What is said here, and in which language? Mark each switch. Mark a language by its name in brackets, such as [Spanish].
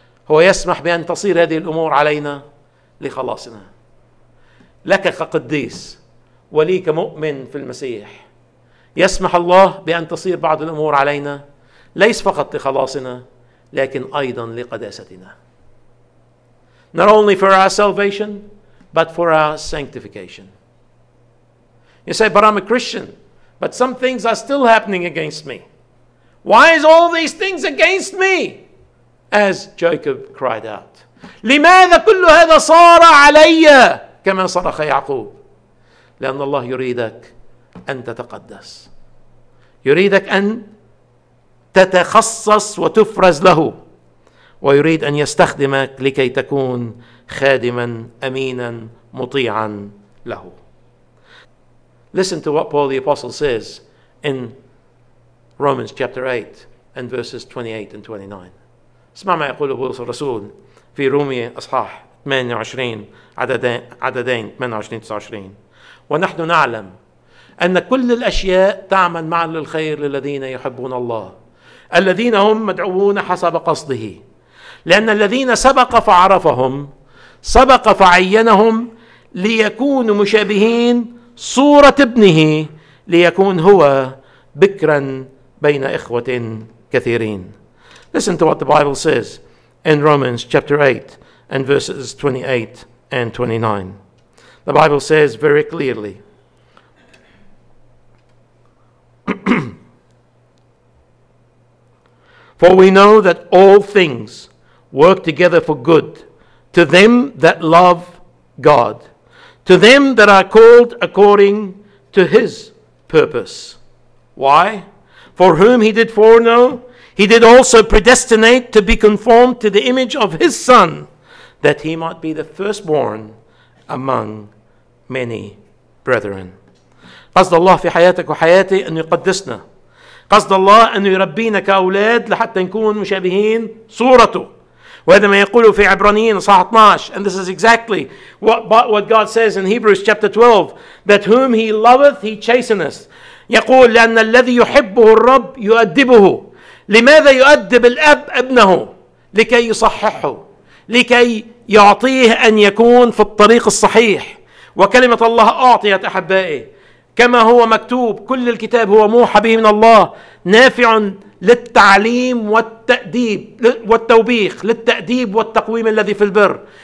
[Arabic] هو يسمح بأن تصير هذه الأمور علينا لخلاصنا. لك كقديس ولي كمؤمن في المسيح يسمح الله بأن تصير بعض الأمور علينا، ليس فقط لخلاصنا لكن أيضا لقداستنا. [English] Not only for our salvation, but for our sanctification. You say, but I'm a Christian, but some things are still happening against me. Why is all these things against me? As Jacob cried out. [Arabic] لماذا كل هذا صار علي كما صرخ يعقوب؟ لأن الله يريدك أن تتقدس. يريدك أن تتخصص وتفرز له. ويريد أن يستخدمك لكي تكون خادماً أميناً مطيعاً له. [English] Listen to what Paul the Apostle says in Romans chapter 8 and verses 28 and 29. [Arabic] اسمع ما يقوله بولس الرسول في رومية أصحاح 28 عددين 28-29. ونحن نعلم أن كل الأشياء تعمل معاً للخير للذين يحبون الله، الذين هم مدعوون حسب قصده. لأن الذين سبق فعرفهم سبق فعينهم ليكونوا مشابهين صورة ابنه، ليكون هو بكرا بين إخوة كثيرين. [English] Listen to what the Bible says in Romans chapter 8 and verses 28 and 29. The Bible says very clearly. For we know that all things work together for good to them that love God, to them that are called according to his purpose. Why? For whom he did foreknow, he did also predestinate to be conformed to the image of his Son, that he might be the firstborn among many brethren. [Arabic] قصد الله في حياتك وحياتي أن يقدسنا. قصد الله أن يربينا كأولاد لحتى نكون مشابهين صورته. وهذا ما يقوله في عبرانيين صح 12. [English] And this is exactly what God says in Hebrews chapter 12. That whom he loveth, he chasteneth. [Arabic] يقول لأن الذي يحبه الرب يؤدبه. لماذا يؤدب الأب ابنه؟ لكي يصححه. لكي يعطيه أن يكون في الطريق الصحيح. وكلمة الله أعطيت أحبائي. كما هو مكتوب كل الكتاب هو موحى به من الله نافع للتعليم والتأديب والتوبيخ للتأديب والتقويم الذي في البر.